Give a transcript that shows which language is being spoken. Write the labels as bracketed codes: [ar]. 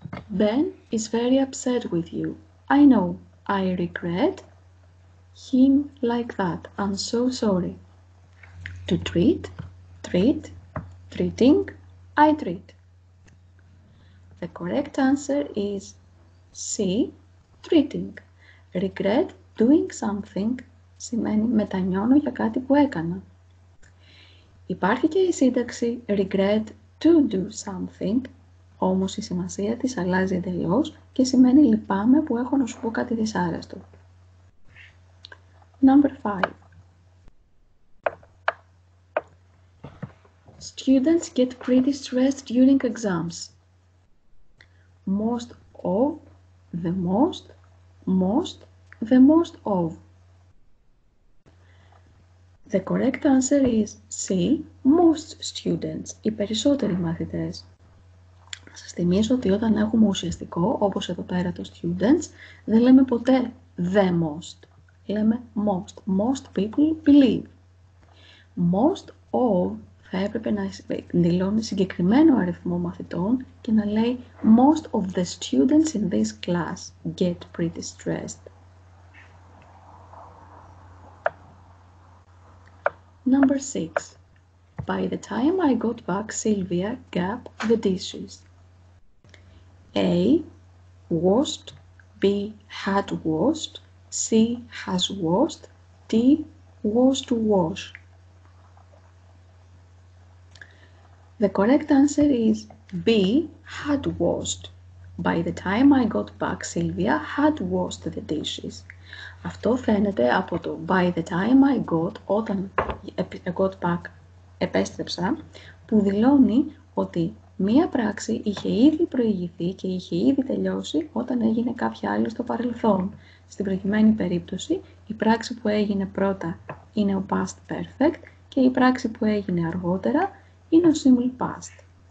[en] Ben is very upset with you. I know, I regret him like that. I'm so sorry. To treat, treat, treating, I treat. The correct answer is C, treating. Regret doing something [el] σημαίνει μετανιώνω για κάτι που έκανα. Υπάρχει και η σύνταξη [en] regret to do something, [el] όμως η σημασία της αλλάζει εντελώς και σημαίνει λυπάμαι που έχω να σου πω κάτι δυσάρεστο. [en] Number 5. Students get pretty stressed during exams. Most of, the most, the most of. The correct answer is C, most students, [el] οι περισσότεροι μαθητές. Σας θυμίζω ότι όταν έχουμε ουσιαστικό, όπως εδώ πέρα το students, δεν λέμε ποτέ [en] the most. [el] Λέμε [en] most, most people believe. Most of [el] θα έπρεπε να δηλώνει συγκεκριμένο αριθμό μαθητών και να λέει [en] «Most of the students in this class get pretty stressed». Number 6. By the time I got back, Sylvia gap the dishes. A. Washed. B. Had washed. C. Has washed. D. Was to wash. The correct answer is B, had washed. By the time I got back, Sylvia had washed the dishes. [el] Αυτό φαίνεται από το [en] by the time I got, [el] όταν [en] I got back, [el] επέστρεψα, που δηλώνει ότι μία πράξη είχε ήδη προηγηθεί και είχε ήδη τελειώσει όταν έγινε κάποια άλλη στο παρελθόν. Στην προκειμένη περίπτωση, η πράξη που έγινε πρώτα είναι ο past perfect και η πράξη που έγινε αργότερα είναι ο simple past.